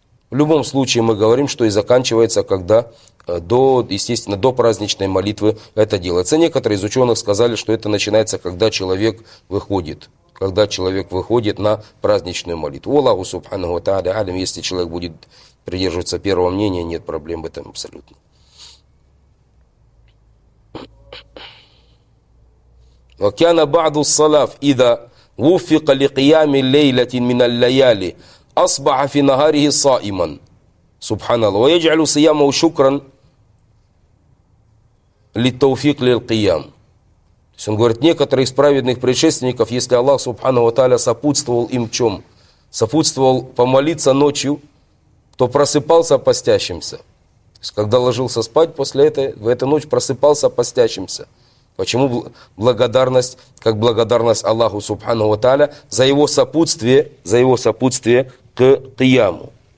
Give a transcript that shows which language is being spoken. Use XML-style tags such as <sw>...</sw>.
<ru>В любом случае мы говорим, что и заканчивается, когда до праздничной молитвы это делается. Некоторые из ученых сказали, что это начинается, когда человек выходит. Когда человек выходит на праздничную молитву. Аллаху Субхану ва Тааля алим, если человек будет придерживаться первого мнения, нет проблем в этом абсолютно.</ru> <ar>وكان بعض الصلاف إذا وفق لقيام ليلة من الليالي أصبح في نهاره صائما سبحان الله ويجعل صيامه شكرا للتوفيق للقيام.</ar> <ru>То есть он говорит, некоторые из праведных предшественников, если Аллах Субхану ва Тааля сопутствовал им чем? Сопутствовал помолиться ночью, то просыпался постящимся. То есть когда ложился спать после этой, в эту ночь просыпался постящимся. Почему благодарность, как благодарность Аллаху Субхану ва Тааля за его сопутствие к кияму?</ru>